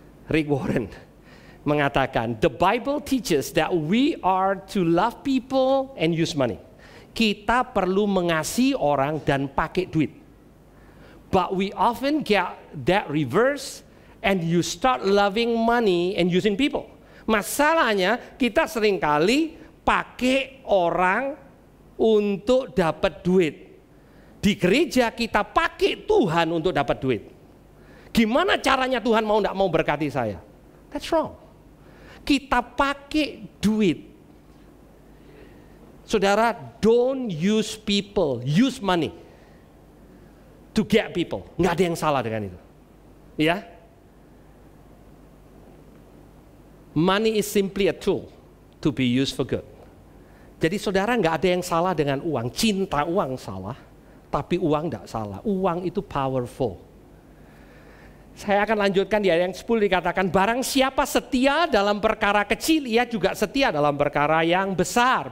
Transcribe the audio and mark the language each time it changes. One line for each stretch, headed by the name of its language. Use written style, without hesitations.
English: Rick Warren mengatakan, the Bible teaches that we are to love people and use money.
Indonesian: kita perlu mengasihi orang dan pakai duit.
English: But we often get that reverse and you start loving money and using people.
Indonesian: Masalahnya kita seringkali pakai orang untuk dapat duit. Di gereja kita pakai Tuhan untuk dapat duit. Gimana caranya Tuhan mau enggak mau berkati saya?
English: That's wrong.
Indonesian: Kita pakai duit.
English: Saudara, don't use people, use money to get people.
Indonesian: Enggak ada yang salah dengan itu. Ya?
English: Money is simply a tool to be used for good.
Indonesian: Jadi saudara, enggak ada yang salah dengan uang. Cinta uang salah, tapi uang enggak salah. Uang itu powerful. Saya akan lanjutkan di ayat yang 10 dikatakan, barang siapa setia dalam perkara kecil, ia juga setia dalam perkara yang besar.